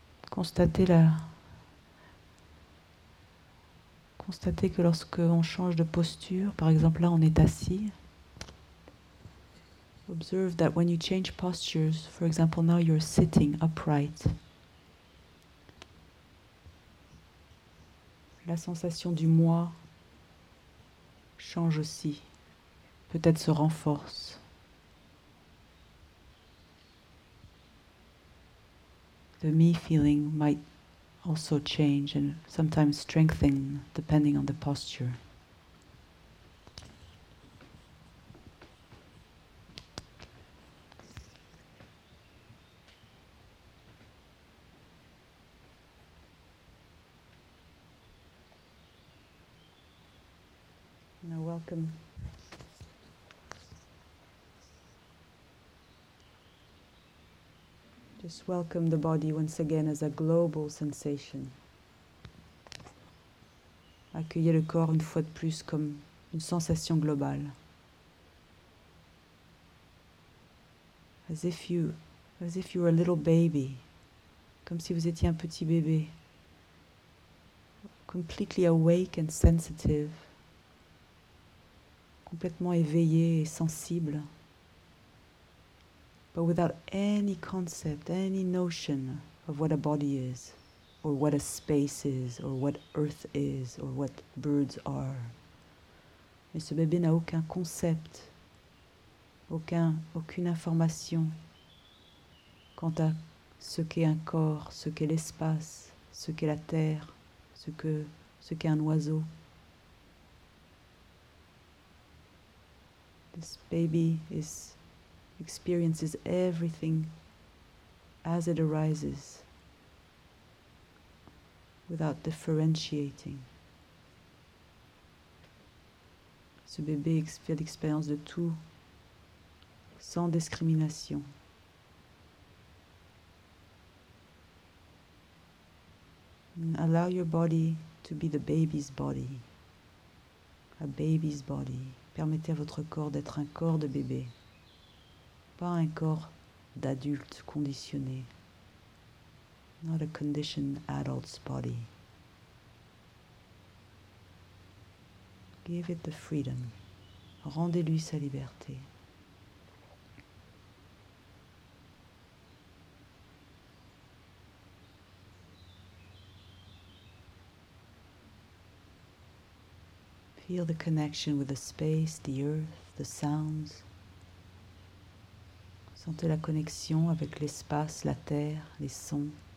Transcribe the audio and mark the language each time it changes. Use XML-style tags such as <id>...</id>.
<fr>Constatez que lorsque on change de posture, par exemple là on est assis.</fr> <en>Observe that when you change postures, for example now you're sitting upright.</en> <fr>La sensation du moi change aussi, peut-être se renforce.</fr> <en>The me feeling might also change and sometimes strengthen depending on the posture. Now welcome. Just welcome the body once again as a global sensation.</en> <fr>Accueillez le corps une fois de plus comme une sensation globale.</fr> <en>As if you were a little baby.</en> <fr>Comme si vous étiez un petit bébé.</fr> <en>Completely awake and sensitive.</en> <fr>Complètement éveillé et sensible.</fr> <en>But without any concept, any notion of what a body is, or what a space is, or what earth is, or what birds are.</en> <fr>Mais ce bébé n'a aucun concept, aucune information quant à ce qu'est un corps, ce qu'est l'espace, ce qu'est la terre, ce qu'est un oiseau.</fr> <en>This baby experiences everything as it arises without differentiating.</en> <fr>Ce bébé fait l'expérience de tout sans discrimination.</fr> <en>Allow your body to be the baby's body. A baby's body.</en> <fr>Permettez à votre corps d'être un corps de bébé. Pas un corps d'adulte conditionné.</fr> <en>Not a conditioned adult's body. Give it the freedom.</en> <fr>Rendez-lui sa liberté.</fr> <en>Feel the connection with the space, the earth, the sounds.</en> <fr>Sentez la connexion avec l'espace, la terre, les sons.</fr>